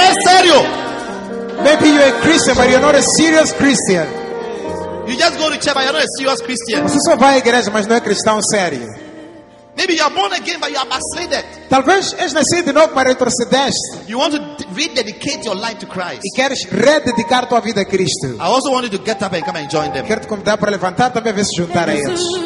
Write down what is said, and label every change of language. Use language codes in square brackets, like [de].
[en] Maybe you're a Christian, but you're not a serious Christian. You just go to church, but you're not a serious Christian. [pt] Você só vai à igreja, mas não é cristão sério. [en] Maybe you're born again, but you are backslidden. [pt] Talvez és nascido de novo, mas retrocedeste. [en] You want to rededicate your life to Christ. [pt] E queres rededicar tua vida a Cristo. [en] I also want you to get up and come and join them. [pt] Quero te convidar para levantar também e se juntar a eles.